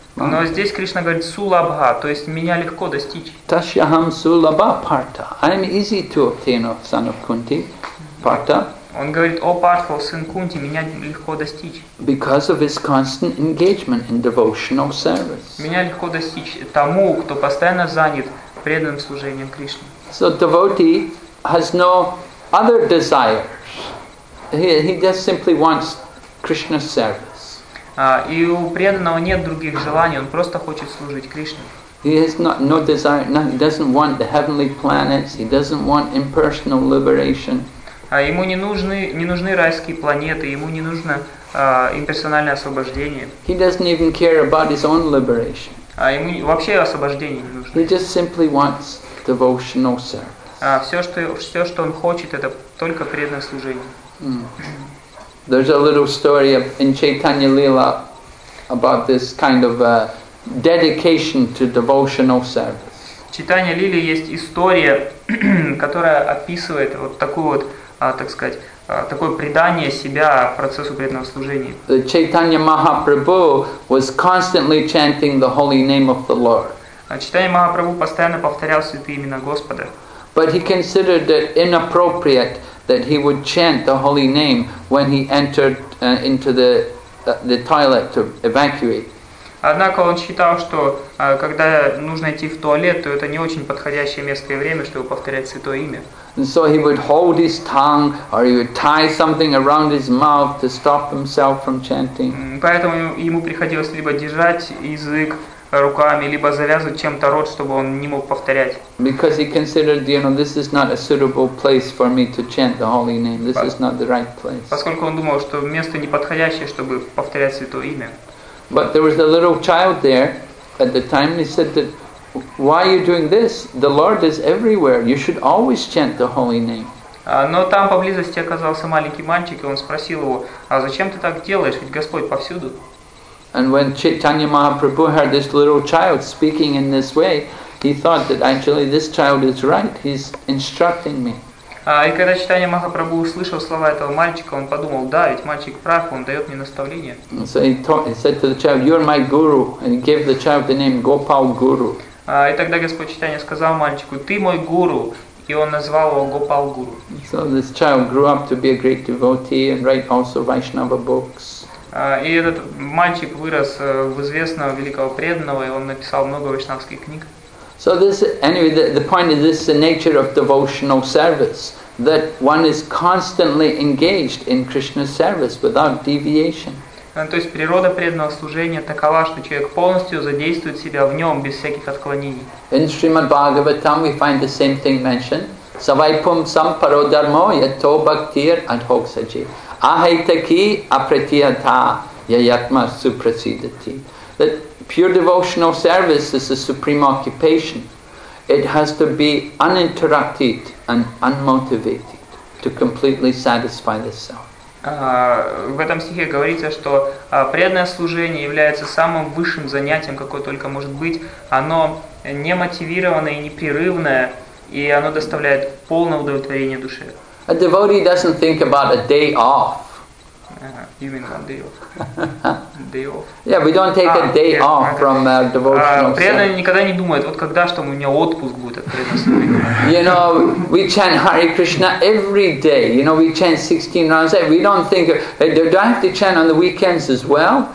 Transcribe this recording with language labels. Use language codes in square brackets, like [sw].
[ru] Но здесь Кришна говорит сулабха, то есть меня легко достичь. [sa] Ташьяхам сулабха парта. [en] I'm easy to obtain, of son of Kunti, парта. [ru] Он говорит, о Партха, сын Кунти, меня легко достичь. [en] Because of his constant engagement in devotional service. [ru] Меня легко достичь тому, кто постоянно занят преданным служением Кришне. [en] So devotee has no other desires. He just simply wants Krishna's service. [ru] И у преданного нет других желаний, он просто хочет служить Кришне. [en] He has no desire, he doesn't want the heavenly planets, he doesn't want impersonal liberation. [ru] Ему не нужны райские планеты, ему не нужно имперсональное освобождение. [en] He doesn't even care about his own liberation. [ru] Ему вообще освобождение не нужно. [en] He just simply wants devotional service. [ru] Все, что он хочет, это только преданное служение. Mm. [en] There's a little story in Chaitanya Lila about this kind of dedication to devotional service. [ru] В Чайтанья Лиле есть история, которая описывает вот такую вот, так сказать, такое предание себя процессу преданного служения. [en] The Chaitanya Mahaprabhu was constantly chanting the holy name of the Lord. [ru] Чайтанья Махапрабху постоянно повторял святые имена Господа. [en] But he considered it inappropriate that he would chant the holy name when he entered into the toilet to evacuate. [ru] Однако он считал, что когда нужно идти в туалет, то это не очень подходящее место и время, чтобы повторять святое имя. [en] And so he would hold his tongue or he would tie something around his mouth to stop himself from chanting. [ru] Поэтому ему приходилось либо держать язык руками, либо завязывать чем-то рот, чтобы он не мог повторять. [en] Because he considered, you know, this is not a suitable place for me to chant the holy name. This is not the right place. [ru] Поскольку он думал, что место неподходящее, чтобы повторять святое имя. [en] But there was a little child there at the time, and he said that, why are you doing this? The Lord is everywhere. You should always chant the holy name. [ru] Но там поблизости оказался маленький мальчик, и он спросил его, а зачем ты так делаешь? Ведь Господь повсюду. [en] And when Chaitanya Mahaprabhu heard this little child speaking in this way, he thought that actually this child is right. He's instructing me. [ru] И когда Чайтанья Махапрабху услышал слова этого мальчика, он подумал, да, ведь мальчик прав, он дает мне наставление. [en] So he said to the child, you're my guru, and he gave the child the name Gopal Guru. [ru] И тогда Господь Чайтанья сказал мальчику, ты мой гуру, и он назвал его Гопал Гуру. [en] So this child grew up to be a great devotee and write also Vaishnava books. [ru] И этот мальчик вырос в известного великого преданного, и он написал много вайшнавских книг. [en] So this, anyway, the point is, this is the nature of devotional service, that one is constantly engaged in Krishna's service without deviation. [ru] То есть природа преданного служения такова, что человек полностью задействует себя в нем без всяких отклонений. [en] In Srimad Bhagavatam we find the same thing mentioned. [sa] Savaipum samparo dharmo yato bhaktir adhoksaji. Ahaitaki apratiyata yayatma suprasidati. [en] That pure devotional service is the supreme occupation. It has to be uninterrupted and unmotivated to completely satisfy the self. [ru] В этом стихе говорится, что преданное служение является самым высшим занятием, какое только может быть. Оно не мотивированное и непрерывное, и оно доставляет полное удовлетворение душе. [en] A devotee doesn't think about a day off. You mean one day off? Day off. Yeah, we don't take a day off from our devotional service. [ru] Преданный никогда не думает, вот когда ж там у меня отпуск будет от преданного служения. [en] You know, we chant Hare Krishna every day. You know, we chant 16 rounds. We don't think, do I have to chant on the weekends as well?